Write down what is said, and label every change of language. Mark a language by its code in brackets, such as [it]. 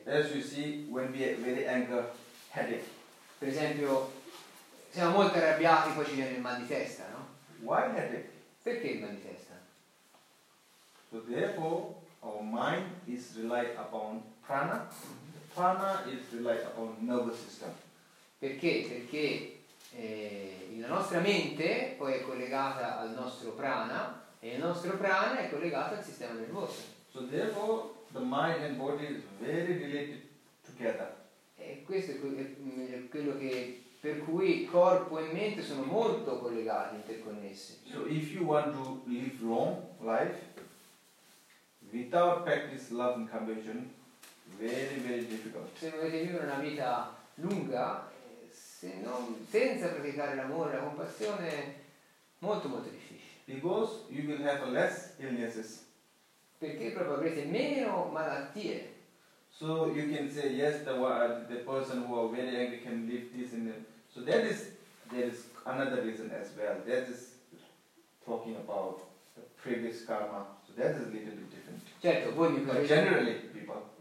[en] As you see, when we have very anger, headache. [it] Per esempio, siamo molto arrabbiati, poi ci viene il mal di testa, no? [en] Why headache? [it] Perché il mal di testa? [en] So therefore, our mind is relied upon prana. Prana is relied upon nervous system. [it] Perché? Perché la nostra mente poi è collegata al nostro prana e il nostro prana è collegato al sistema nervoso. [en] So therefore, the mind and body is very related together. [it] E questo è quello che per cui corpo e mente sono molto collegati, interconnessi. [en] So if you want to live long life without practice love and compassion, very very difficult. [it] Se volete vivere una vita lunga, se non, senza praticare l'amore, la compassione, molto molto difficile. [en] Because you will have less illnesses. [it] Perché proprio avrete meno malattie. [en] So you can say yes, the person who are very angry can live this and that. So that is another reason as well. That is talking about the previous karma. So that is a little bit different. [it] Certo, voi mi potreste, [en] generally people.